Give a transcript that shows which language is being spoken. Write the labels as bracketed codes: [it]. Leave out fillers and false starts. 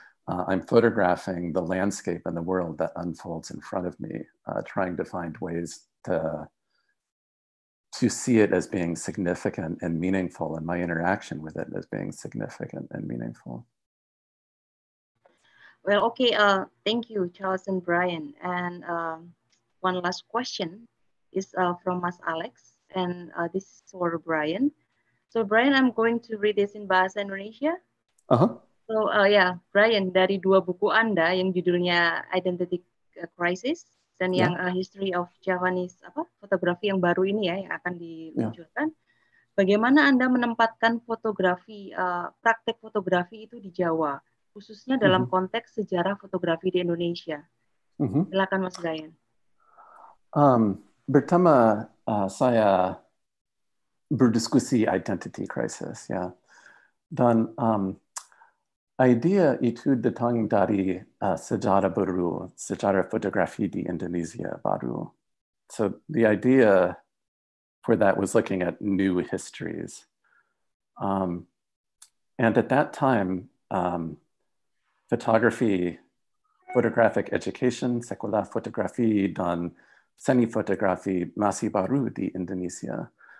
[en] I'm photographing the landscape and the world that unfolds in front of me, trying to find ways to see it as being significant and meaningful, and my interaction with it as being significant and meaningful. Well, okay, thank you, Charles and Brian. And one last question is from Mas Alex, and this is for Brian. So Brian, I'm going to read this in Bahasa Indonesia. Uh-huh. [id] So yeah, Brian, dari dua buku Anda yang judulnya Identity Crisis dan yang History of Javanese fotografi yang baru ini ya yang akan diluncurkan, bagaimana Anda menempatkan fotografi praktek fotografi itu di Jawa, khususnya dalam konteks sejarah fotografi di Indonesia? Silakan Mas Brian. Pertama saya berdiskusi Identity Crisis ya dan idea itu datang dari sejarah baru, sejarah fotografi di Indonesia baru. [en] So the idea for that was looking at new histories. And at that time, photography, photographic education, [id] sekolah fotografi dan seni fotografi masih baru di Indonesia.